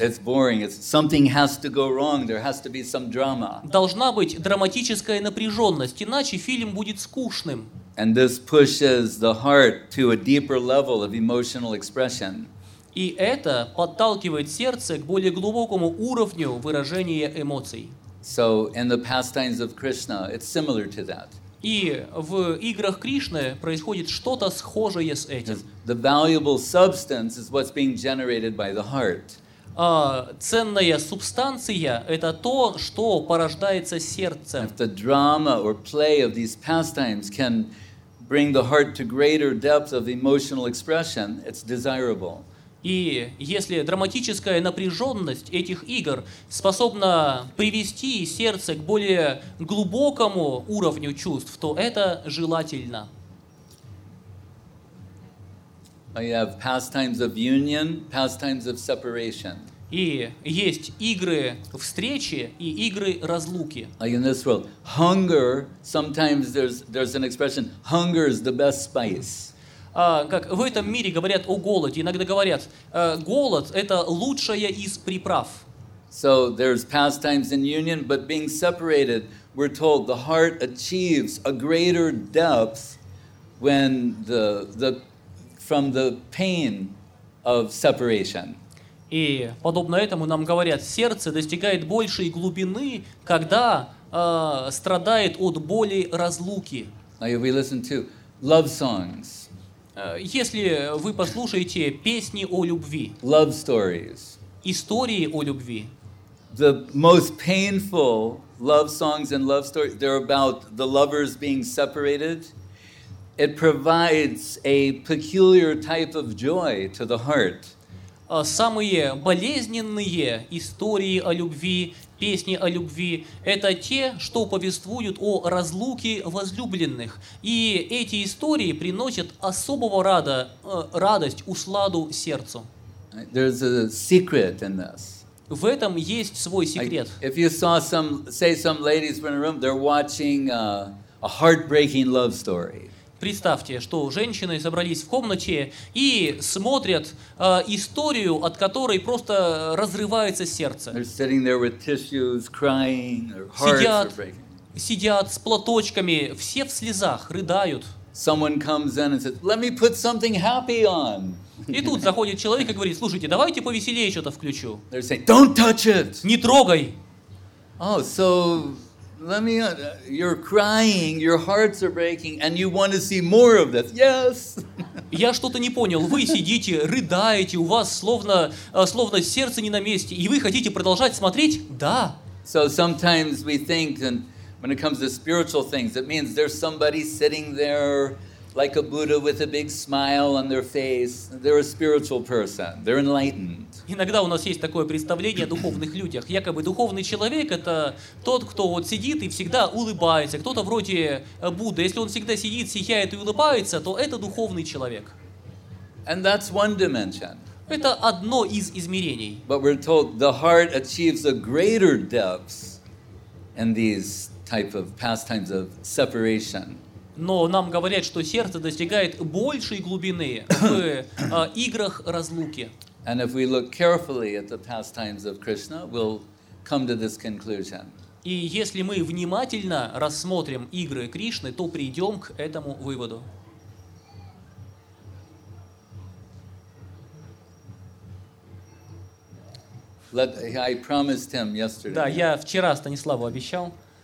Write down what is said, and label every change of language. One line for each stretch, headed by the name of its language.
English: It's boring. It's something has to go wrong. There has to be some drama.
Russian: Должна быть драматическая напряженность, иначе фильм будет скучным.
English: And this pushes the heart to a deeper level of emotional expression.
Russian: И это подталкивает сердце к более глубокому уровню выражения эмоций.
English: So in the pastimes of Krishna, it's similar to that.
Russian: И в играх Кришны происходит что-то схожее с этим.
English: The valuable substance is what's being generated by the heart.
Russian: ценная субстанция – это то, что порождается сердцем.
English: If the drama or play of these pastimes can bring the heart to greater depth of emotional expression, it's desirable.
Russian: И если драматическая напряженность этих игр способна привести сердце к более глубокому уровню чувств, то это желательно.
English: I have pastimes of union, pastimes of separation.
Russian: И есть игры встречи и игры разлуки.
English: Like in this world, hunger, sometimes there's an expression, hunger is the best spice.
Russian: Как в этом мире говорят о голоде, иногда говорят, голод – это лучшая из приправ.
English: So there's pastimes in union, but being separated, we're told the heart achieves a greater depth when the from the pain of separation.
Russian: И подобно этому нам говорят, сердце достигает большей глубины, когда страдает от боли разлуки.
English: Now we listen to love songs.
Russian: Если вы послушаете песни о любви,
English: love stories,
Russian: истории о любви,
English: the most painful love songs and love stories, they're about the lovers being separated. It provides a peculiar type of joy to the heart.
Russian: Самые болезненные истории о любви, песни о любви, это те, что повествуют о разлуке возлюбленных. И эти истории приносят особого рода радость, усладу сердцу.
English: There's a secret in this.
Russian: В этом есть свой секрет.
English: If you saw some, say some ladies in a room, they're watching a heartbreaking love story.
Russian: Представьте, что женщины собрались в комнате и смотрят историю, от которой просто разрывается сердце.
English: They're sitting there with tissues, crying, their hearts are breaking.
Russian: Сидят с платочками, все в слезах, рыдают.
English: Someone comes in and says, "Let me put something happy on."
Russian: И тут заходит человек и говорит, слушайте, давайте повеселее что-то включу.
English: They're saying, "Don't touch it."
Russian: Не трогай.
English: Oh, so... Let me. You're crying. Your hearts are breaking, and you want to see more of this. Yes.
Russian: Я что-то не понял. Вы сидите, рыдаете. У вас словно сердце не на месте, и вы хотите продолжать смотреть? Да.
English: So sometimes we think, and when it comes to spiritual things, it means there's somebody sitting there, like a Buddha, with a big smile on their face. They're a spiritual person. They're enlightened.
Russian: Иногда у нас есть такое представление о духовных людях. Якобы духовный человек – это тот, кто вот сидит и всегда улыбается. Кто-то вроде Будды. Если он всегда сидит, сияет и улыбается, то это духовный человек.
English: And that's one dimension.
Russian: Это одно из измерений.
English: But we're told the heart achieves a greater depth in these type of pastimes of separation.
Russian: Но нам говорят, что сердце достигает большей глубины в играх разлуки.
English: And if we look carefully at the pastimes of Krishna, we'll come to this conclusion.
Russian: И если мы внимательно рассмотрим игры Кришны, то придем к этому выводу.
English: I promised him yesterday.
Russian: Да, я вчера Станиславу обещал.